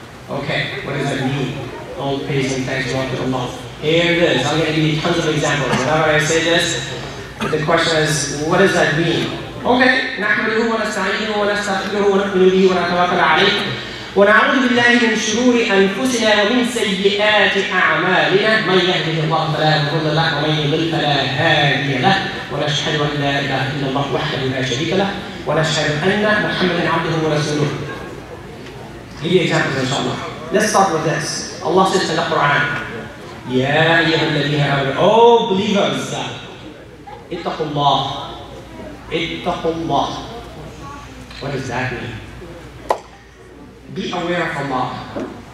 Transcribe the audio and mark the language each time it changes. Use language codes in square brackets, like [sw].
[en] Okay, what does that mean? All praise and thanks belong to Allah. Here it is. I'm going to give you tons of examples. Whenever I say this, the question is, what does that mean? Okay. [ar] نحمده ونستعينه ونستغفره ونؤمن به ونتوكل عليه ونعوذ بالله من شرور أنفسنا ومن سيئات أعمالنا من يهده الله فلا مضل له ومن يضلل فلا هادي له ونشهد أن لا إله إلا الله وحده لا شريك له ونشهد أن محمدا عبده ورسوله. [en] Give you examples [ar] إن شاء الله. [en] Let's start with this. Allah says in the Quran, [ar] يا أيها الذين آمنوا, [en] oh believers, [ar] اتقوا الله. اتقوا الله. [en] What does that mean? Be aware of Allah.